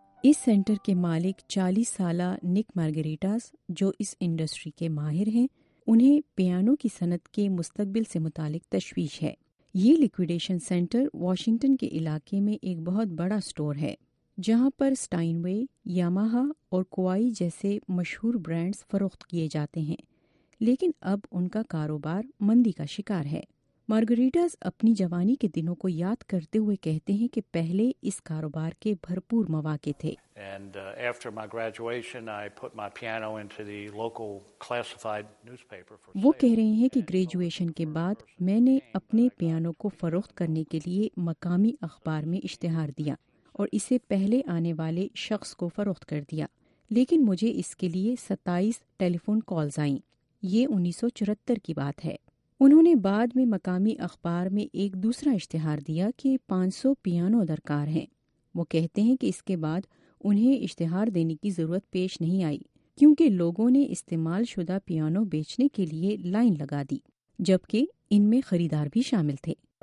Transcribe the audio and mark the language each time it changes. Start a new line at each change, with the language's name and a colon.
Urdu: اس centre کے مالک 40 سالہ نک مارگریٹاس، جو اس انڈسٹری کے ماہر ہیں، انہیں پیانو کی صنعت کے مستقبل سے متعلق تشویش ہے۔ یہ لیکویڈیشن سینٹر واشنگٹن کے علاقے میں ایک بہت بڑا سٹور ہے، جہاں پر سٹائن وے، یاماہا اور کوائی جیسے مشہور برانڈز فروخت کیے جاتے ہیں، لیکن اب ان کا کاروبار مندی کا شکار ہے۔ مارگریٹاز اپنی جوانی کے دنوں کو یاد کرتے ہوئے کہتے ہیں کہ پہلے اس کاروبار کے بھرپور مواقع تھے۔
English: And after my graduation, I put my piano into the local classified newspaper for sale.
Urdu: وہ کہہ رہے ہیں کہ گریجویشن کے بعد میں نے اپنے پیانو کو فروخت کرنے کے لیے مقامی اخبار میں اشتہار دیا اور اسے پہلے آنے والے شخص کو فروخت کر دیا، لیکن مجھے اس کے لیے 27 ٹیلی فون کالز آئیں۔ یہ 1974 کی بات ہے۔ انہوں نے بعد میں مقامی اخبار میں ایک دوسرا اشتہار دیا کہ 500 پیانو درکار ہیں۔ وہ کہتے ہیں کہ اس کے بعد انہیں اشتہار دینے کی ضرورت پیش نہیں آئی، کیونکہ لوگوں نے استعمال شدہ پیانو بیچنے کے لیے لائن لگا دی، جبکہ ان میں خریدار بھی شامل تھے۔